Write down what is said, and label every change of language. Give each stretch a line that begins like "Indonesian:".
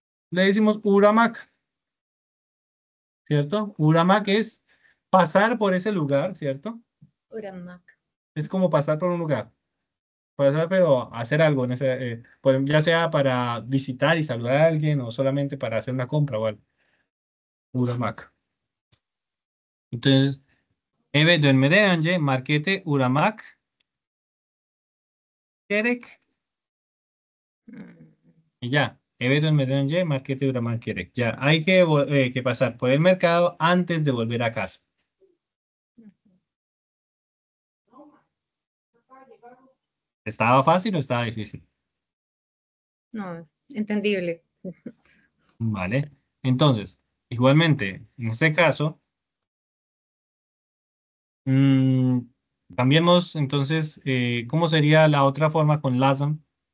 Spanish: Le decimos uramak, ¿cierto? Uramak es pasar por ese lugar, ¿cierto? Mac. Es como pasar por un lugar. Pasar, pero hacer algo, en ese, pues ya sea para visitar y saludar a alguien o solamente para hacer una compra o algo.
Turkish: Uramak. Entonces, Eve dönmeden önce markete uğramak gerek. Y ya, Eve dönmeden önce markete uğramak gerek.
Spanish: Ya, hay que pasar por el mercado antes de volver a casa. ¿Estaba fácil o estaba difícil? No, entendible. Vale, entonces, igualmente, en este caso, cambiemos entonces, ¿cómo sería la otra forma con lazım?